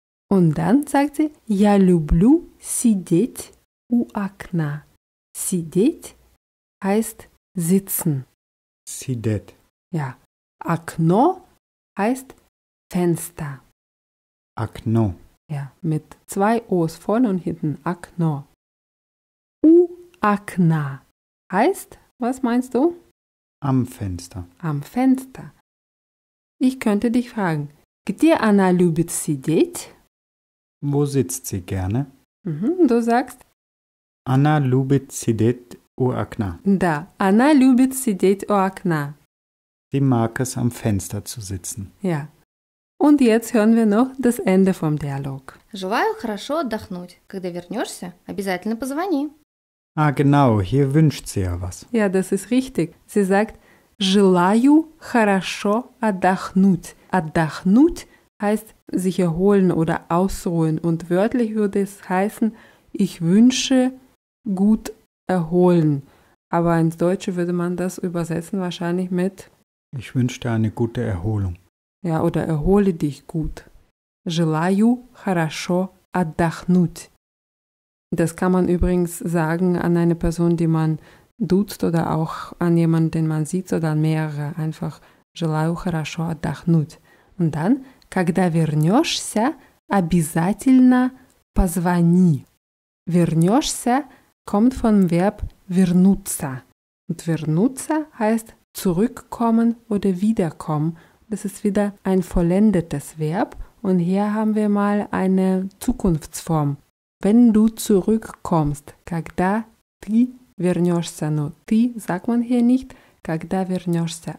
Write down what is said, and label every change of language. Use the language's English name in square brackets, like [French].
[German] Und dann sagt sie, [Russian] я люблю сидеть у окна. [German] Сидеть heißt sitzen. [Russian] Сидеть. [German] Ja. Окно heißt Fenster. [Russian] Окно. [German] Ja, mit zwei O's vorne und hinten. [Russian] Окно. [German] У окна heißt, was meinst du? Am Fenster. Am Fenster. Ich könnte dich fragen, [Russian] где она любит сидеть? [German] Wo sitzt sie gerne? Mhm, du sagst, [Russian] Anna любит сидеть у окна. Да, она любит сидеть у окна. [German] Sie mag es, am Fenster zu sitzen. Ja. Und jetzt hören wir noch das Ende vom Dialog. [Russian] Желаю хорошо отдохнуть. Когда вернешься, обязательно позвони. [German] Ah, genau, hier wünscht sie ja was. Ja, das ist richtig. Sie sagt, [Russian] желаю хорошо отдохнуть. [German] Отдохнуть heißt sich erholen oder ausruhen. Und wörtlich würde es heißen, ich wünsche gut erholen. Aber ins Deutsche würde man das übersetzen wahrscheinlich mit ich wünsche dir eine gute Erholung. Ja, oder erhole dich gut. [Russian] Желаю хорошо отдохнуть. [German] Das kann man übrigens sagen an eine Person, die man duzt oder auch an jemanden, den man sieht oder an mehrere. Einfach [Russian] желаю хорошо отдохнуть. [German] Und dann, [Russian] когда вернешься, обязательно позвони. [German] Вернешься kommt vom Verb вернуться. Und вернуться heißt zurückkommen oder wiederkommen. Das ist wieder ein vollendetes Verb. Und hier haben wir mal eine Zukunftsform. Wenn du zurückkommst, [Russian] когда ты вернешься, но ты [German] sagt man hier nicht, [Russian] когда вернешься.